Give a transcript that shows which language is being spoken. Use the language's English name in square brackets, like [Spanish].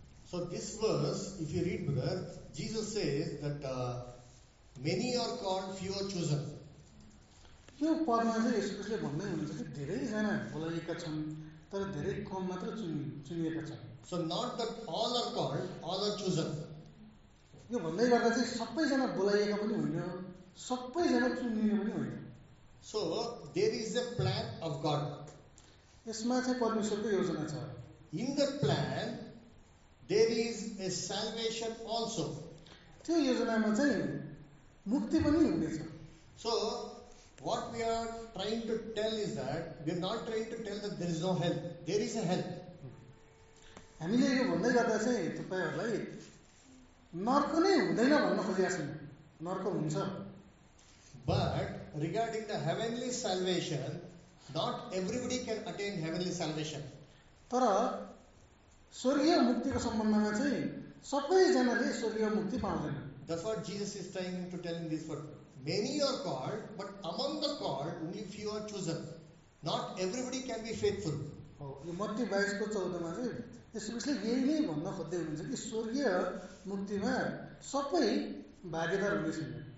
[English] So this verse, if you read brother, Jesus says that many are called, few are chosen. [Nepali] यो पदमा चाहिँ यसले भन्दै हुनुहुन्छ कि धेरैजना बोलाइएका छन् तर धेरै कम मात्र चुनिएका छन्. [English] So not that all are called, all are chosen. [Nepali] यो भन्दै गर्दा चाहिँ सबैजना बोलाइएका पनि होइन, सबैजना चुनिने पनि होइन. [English] So there is a plan of God. [Nepali] यसमा चाहिँ परमेश्वरको योजना छ. [English] In the plan, there is a salvation also. [Nepali] त्यो योजनामा चाहिँ मुक्ति पनि हुनेछ. [English] So what we are trying to tell is that we are not trying to tell that there is no hell. There is a hell. [Nepali] हामीले यो भन्दै गर्दा चाहिँ तपाईँहरूलाई नर्क नै हुँदैन भन्न खोजेका छौँ. नर्क हुन्छ. [English] But regarding the heavenly salvation, not everybody can attain heavenly salvation. [Nepali] तर स्वर्गीय मुक्तिको सम्बन्धमा चाहिँ सबैजनाले स्वर्गीय मुक्ति पाउँदैन. [English] That's what Jesus is trying to tell in this word. Many are called, but among the called, only few are chosen. Not everybody can be faithful. [Nepali] यो मत्ती 22 को 14 चाहिँ यसले यही नै भन्न खोज्दै हुनुहुन्छ कि स्वर्गीय मुक्तिमा सबै भागीदार हुने छैन.